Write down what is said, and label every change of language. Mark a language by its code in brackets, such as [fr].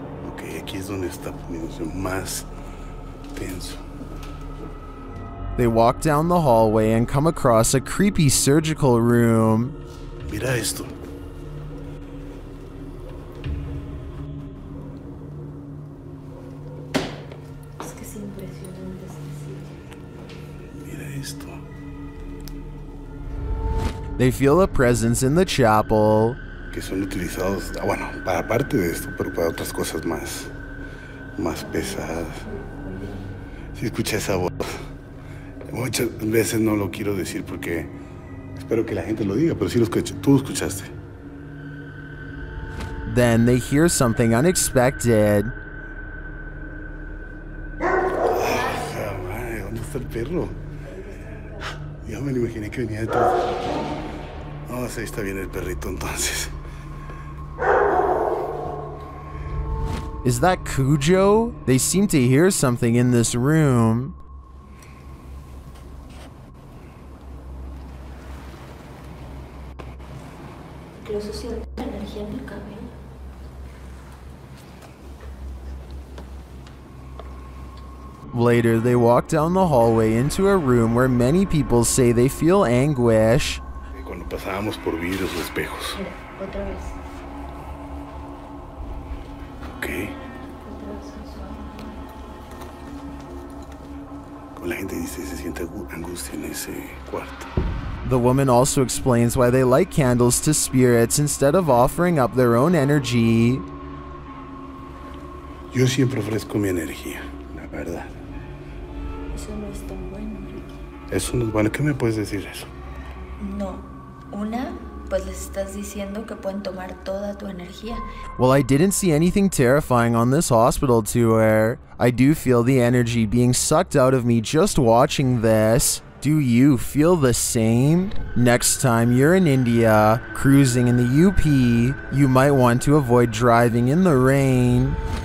[es] Okay, aquí es donde está poniéndose más tenso. [en] They walk down the hallway and come across a creepy surgical room. [es] Mira esto. [en] They feel a presence in the chapel. [es] Que son utilizados, bueno, para parte de esto, pero para otras cosas más pesadas. Si escucha esa voz, muchas veces no lo quiero decir porque espero que la gente lo diga, pero sí lo escuché, tú lo escuchaste. [en] Then they hear something unexpected. [es] Ay, madre, ¿dónde está el perro? Ya me lo imaginé que venía detrás. No, oh, ahí está bien el perrito entonces. [en] Is that Cujo? They seem to hear something in this room. [es] Incluso siento la energía en el cabello. [en] Later, they walk down the hallway into a room where many people say they feel anguish. [es] Cuando pasábamos por vidrios o espejos. Otra vez. [en] Okay. [es] La gente dice se siente angustia en ese cuarto. [en] The woman also explains why they light candles to spirits instead of offering up their own energy. [es] Yo siempre ofrezco mi energía, la verdad. Eso no es tan bueno, Ricky. Eso no es bueno. ¿Qué me puedes decir eso? No. Una, pues les estás diciendo que pueden tomar toda tu energía. [en] Well, I didn't see anything terrifying on this hospital tour. I do feel the energy being sucked out of me just watching this. Do you feel the same? Next time you're in India, cruising in the UP, you might want to avoid driving in the rain.